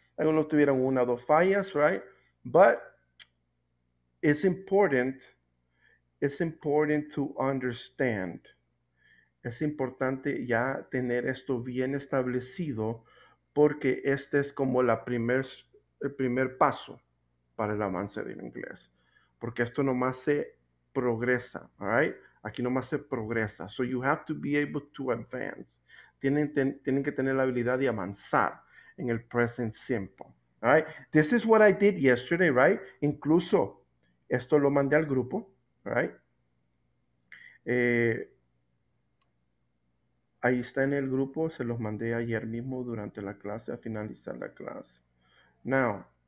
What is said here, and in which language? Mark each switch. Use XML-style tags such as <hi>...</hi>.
<es>Algunos tuvieron una o dos fallas, ¿right?</es> <en>But it's important to understand.</en> <es>Es importante ya tener esto bien establecido porque este es como el primer paso para el avance del inglés. Porque esto nomás se progresa, all right? Aquí nomás se progresa.</es> <en>So you have to be able to advance.</en> <es>Tienen que tener la habilidad de avanzar en el present simple, all right?</es> <en>This is what I did yesterday, right?</en> <es>Incluso esto lo mandé al grupo,</es> <en>all right?</en> <es>Ahí está en el grupo, se los mandé ayer mismo durante la clase, a finalizar la clase. Now,</es>